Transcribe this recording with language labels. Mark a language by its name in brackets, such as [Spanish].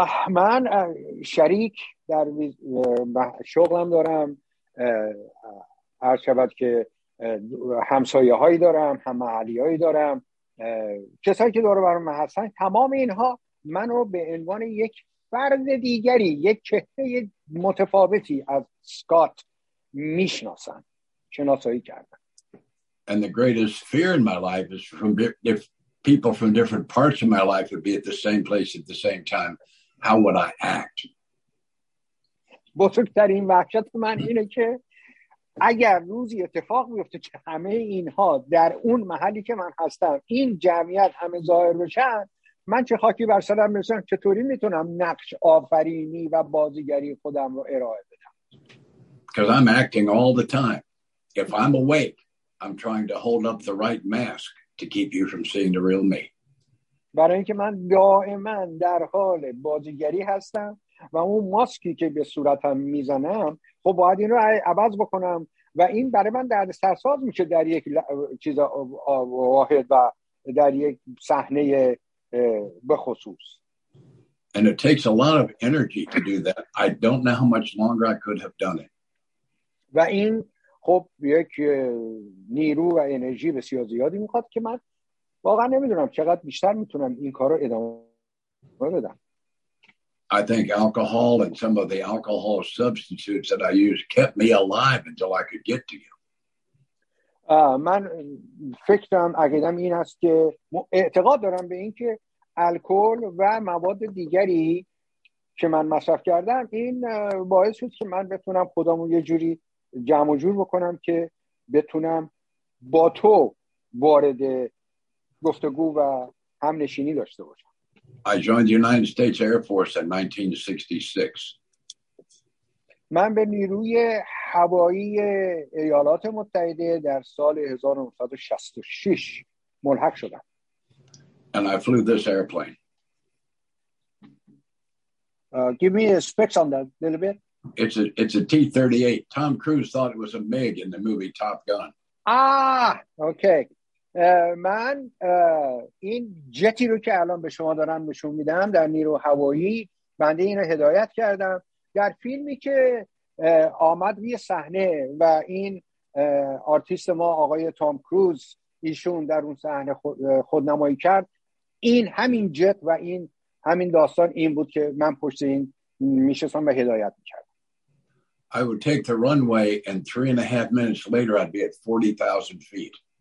[Persian] من شریک در شغلم دارم، هر شبت که همسایه هایی دارم، هم محلی هایی دارم، کسایی که دور برم هستن، تمام اینها من رو به عنوان یک فرد دیگری، یک چهره متفاوتی از سکات میشناسن، شناسایی کردن. [English] And the greatest fear in my life is from if people from different parts of my life would be at the same place at the same time, how would I act? [Persian] بزرگترین وحشت من اینه که اگر روزی اتفاق بیفته که همه اینها در اون محلی که من هستم این جمعیت همه ظاهر بشن، من چه خاکی بر سرم میرسن، چطوری میتونم نقش آفرینی و بازیگری خودم رو ارائه بدم؟ [English] Because I'm acting all the time. If I'm awake, I'm trying to hold up the right mask to keep you from seeing the real me. [Persian] برای اینکه من دائما در حال بازیگری هستم و اون ماسکی که به صورتم میزنم، خب باید این رو عوض بکنم و این برای من درد سرساز میشه در یک چیز واحد و در یک صحنه بخصوص. [English] And it takes a lot of energy to do that. I don't know how much longer I could have done it. [Persian] و این خب یک نیرو و انرژی بسیار زیادی میخواد که من واقعا نمیدونم چقدر بیشتر میتونم این کار رو ادامه بدم. [English] I think alcohol and some of the alcohol substitutes that I use kept me alive until I could get to you. [Persian] من فکرم عقیدم این است که اعتقاد دارم به این که الکل و مواد دیگری که من مصرف کردم این باعث شد که من بتونم خودمو یه جوری جمع و جور بکنم که بتونم با تو وارد گفتگو و هم نشینی داشته باشم. [English] I joined the United States Air Force in 1966. [Persian] من به نیروی هوایی ایالات متحده در سال 1966 ملحق شدم. [English] And I flew this airplane. Give me the specs on that a little bit. It's a T-38. Tom Cruise thought it was a MiG in the movie Top Gun. Ah, okay. [Persian] من این جتی رو که الان به شما دارم نشون میدم در نیرو هوایی بنده این رو هدایت کردم در فیلمی که آمد روی صحنه و این آرتیست ما آقای تام کروز ایشون در اون صحنه خودنمایی کرد. این همین جت و این همین داستان این بود که من پشت این میشستم و هدایت میکردم. [English] I would take the runway and 3.5 minutes later I'd be at 40,000 feet.